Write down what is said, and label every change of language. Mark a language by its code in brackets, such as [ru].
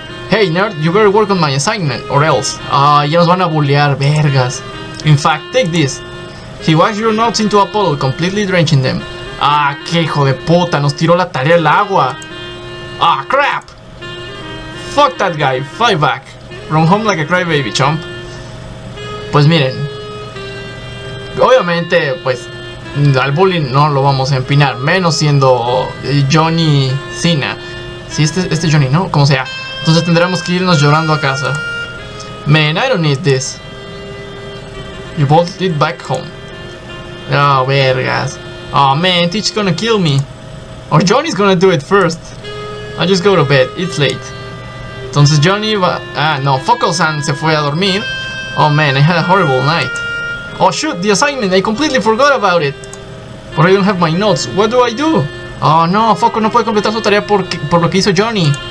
[en] Hey, nerd, you better work on my assignment, or else. [es] Ya nos van a bullear, vergas. [en] In fact, take this. He washed your notes into a puddle, completely drenching them. [es] Ah, qué hijo de puta, nos tiró la tarea al agua. [en] Ah, crap. Fuck that guy, fly back. Run home like a crybaby, chump. [es] Pues miren, obviamente, pues, al bullying no lo vamos a empinar, menos siendo Johnny Cena. Si este Johnny, ¿no? Como sea. Entonces tendremos que irnos llorando a casa. [en] Man, I don't need this. You bought it back home. [es] Oh, vergas. [en] Oh, man, Teach's gonna kill me. Or Johnny's gonna do it first. I'll just go to bed, it's late. [es] Entonces Johnny va... Ah, no, Focal-san se fue a dormir. [en] Oh, man, I had a horrible night. Oh, shoot, the assignment, I completely forgot about it. But I don't have my notes, what do I do? [es] Oh, no, Focal no puede completar su tarea por lo que hizo Johnny.